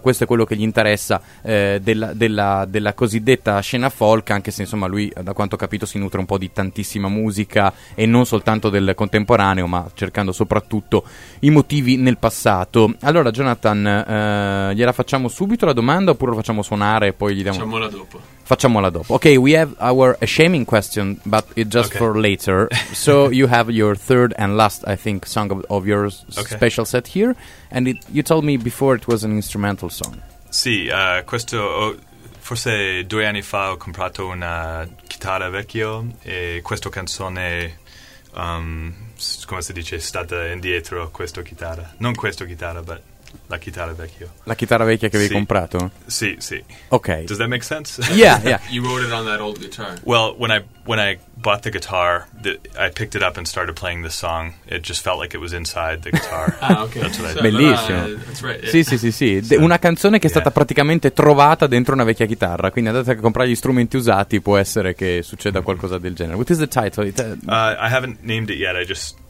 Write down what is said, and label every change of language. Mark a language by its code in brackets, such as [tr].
[it] Questo è quello che gli interessa della cosiddetta scena folk, anche se, insomma, lui, da quanto ho capito, si nutre un po' di tantissima musica e non soltanto del contemporaneo, ma cercando soprattutto i motivi nel passato. Allora, Jonathan, gliela facciamo subito la domanda oppure lo facciamo suonare? E poi gli diamo... Facciamola dopo. [en] Okay, we have our shaming question, but it's just for later. So you have your third and last, I think, song of your special set here. And you told me before it was an instrumental song. [it] Sì, questo... forse due anni fa ho comprato una chitarra vecchia e questa canzone, come si dice, è stata indietro questa chitarra. Non questa chitarra, ma la chitarra vecchia. La chitarra vecchia che avevi comprato? Sì, sì. Ok. [en] Does that make sense? Yeah, yeah. You wrote it on that old guitar. Well, when I bought the guitar, I picked it up and started playing the song. It just felt like it was inside the guitar. [it] Ah, ok. Bellissimo. Sì, sì, sì, sì. Una canzone che è stata praticamente trovata dentro una vecchia chitarra. Quindi andate a comprare gli strumenti usati, può essere che succeda qualcosa del genere. [en] What is the title? I haven't named it yet, I just...